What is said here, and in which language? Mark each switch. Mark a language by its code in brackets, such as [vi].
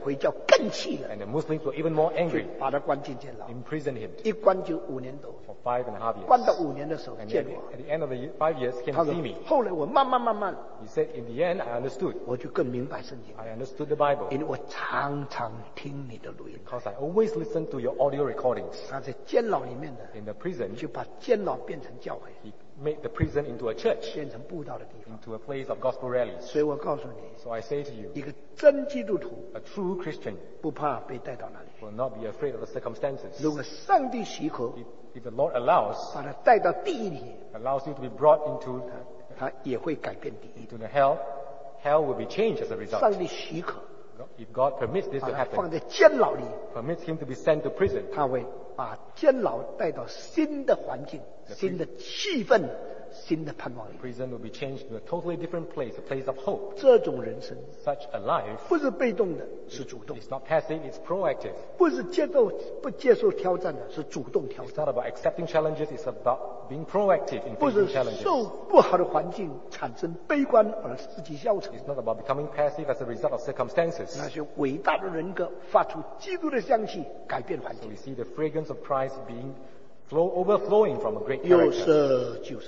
[zh] 回教更气了 [en] And the Muslims were even more angry [zh] 把他关进监牢 [en] Imprisoned him [zh] 一关就五年多 [en] For five and a half years [zh] 关到五年的时候见我 [en] At the end of the year, 5 years came to see me [zh] 后来我慢慢 [en] He said in the end I understood [zh] 我就更明白圣经 [en] I understood the Bible [zh] 因为我常常听你的录音 [en] Because I always listen to your audio recordings [zh] 他在监牢里面的 [en] in the prison [zh] 就把监牢变成教会 [en] he made the prison into a church [zh] 变成布道的地方 [en] into a place of gospel rallies [zh] 所以我告诉你 [en] so I say to you [zh] 一个真基督徒 [en] a true Christian [zh] 不怕被带到哪里 [en] will not be afraid of the circumstances [zh] 如果上帝许可 [en] if, if the Lord allows, [zh] 把他带到地里 [en] allows you to be brought into, [zh] 他也会改变地 [en] into the hell. Hell will be changed as a result. [zh] 上帝许可 [en] if God permits this to happen, [zh] 放在监牢里 [en] permits him to be sent to prison. [zh] 他会把监牢带到新的环境、新的气氛、新的盼望里。 [en] Prison will be changed to a totally different place, a place of hope. [zh] 这种人生 [en] such a life, [zh] 不是被动的，是主动。 [en] It's not passive, it's proactive. [zh] 不是接受不接受挑战的，是主动挑战。 [en] It's not about accepting challenges, it's about being proactive in facing challenges. [zh] 不是受不好的环境产生悲观而自己消沉。 [en] It's not about becoming passive as a result of circumstances. [zh] 那些伟大的人格发出基督的香气，改变环境。 [en] So we see the fragrance of Christ being overflowing from a great character.